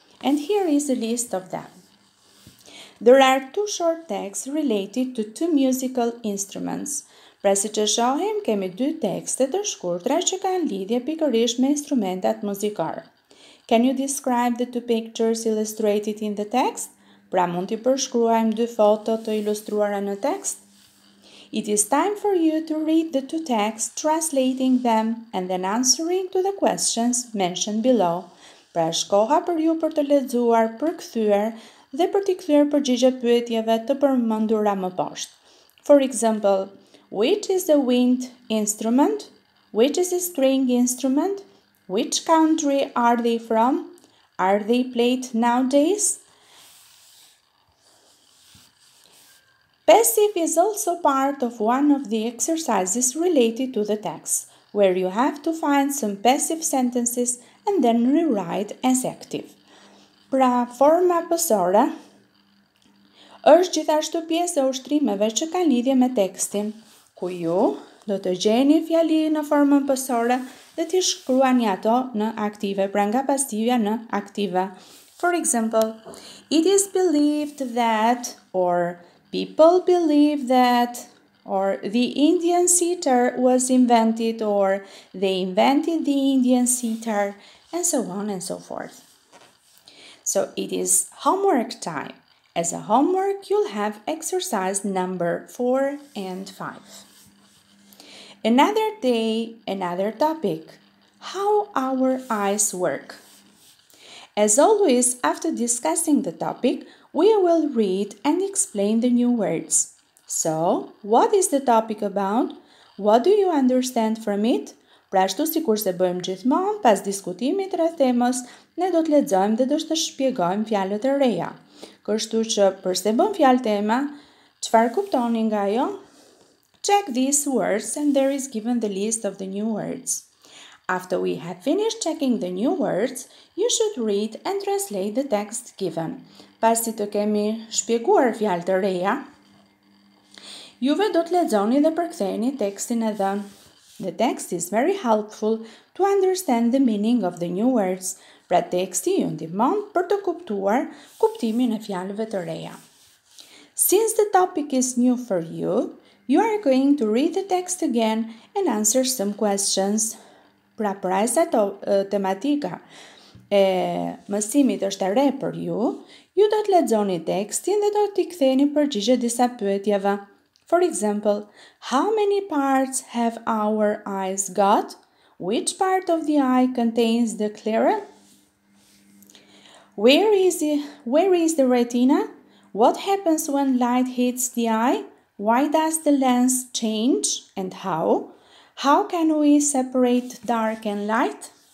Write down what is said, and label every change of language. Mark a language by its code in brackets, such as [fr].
[en] And here is a list of them. There are two short texts related to two musical instruments. [sq] Pra si që shohim, kemi dy tekste të shkurtra që kanë lidhje pikërisht me instrumentat muzikar. [en] Can you describe the two pictures illustrated in the text? [sq] Pra mund t'i përshkruajmë dy foto të ilustruara në tekst? [en] It is time for you to read the two texts, translating them and then answering to the questions mentioned below. [sq] Pra është koha për ju për të lexuar, përkthyer dhe për t'i kthyer përgjigjet pyetjeve të përmendura më poshtë. [en] For example, which is a wind instrument? Which is a string instrument? Which country are they from? Are they played nowadays? Passive is also part of one of the exercises related to the text, where you have to find some passive sentences and then rewrite as active. [sq] Pra forma pasore është gjithashtu pjesë e ushtrimeve që kanë lidhje me tekstin, ku ju do të gjeni fjali në formën pasore dhe t'i shkruani ato në aktive, pra nga pasivja në aktive. [en] For example, it is believed that, or people believe that, or the Indian sitar was invented, or they invented the Indian sitar, and so on and so forth. So, it is homework time. As a homework, you'll have exercise number 4 and 5. Another day, another topic, how our eyes work. As always, after discussing the topic, we will read and explain the new words. So, what is the topic about? What do you understand from it? [sq] Pra ashtu si kur se bëjmë gjithmonë, pas diskutimit rreth temës, ne do të lexojmë dhe do të shpjegojmë fjalët e reja. Kështu që përse bëm fjalë tema, çfarë kuptoni nga ajo? [en] Check these words and there is given the list of the new words. After we have finished checking the new words, you should read and translate the text given. [sq] Pasi të kemi shpjeguar fjalë të reja, juve do të lexoni dhe përktheni tekstin e dhënë. [en] The text is very helpful to understand the meaning of the new words. [sq] Pra teksti ju ndihmon për të kuptuar kuptimin e fjalëve të reja. [en] Since the topic is new for you, you are going to read the text again and answer some questions. [sq] Pra përsa tematika e mësimit është e re për ju, ju do të lexoni tekstin dhe do t'i ktheni përgjigje disa pyetjeve. [en] For example, how many parts have our eyes got? Which part of the eye contains the cochlea? Where is the retina? What happens when light hits the eye? Why does the lens change and how? How can we separate dark and light?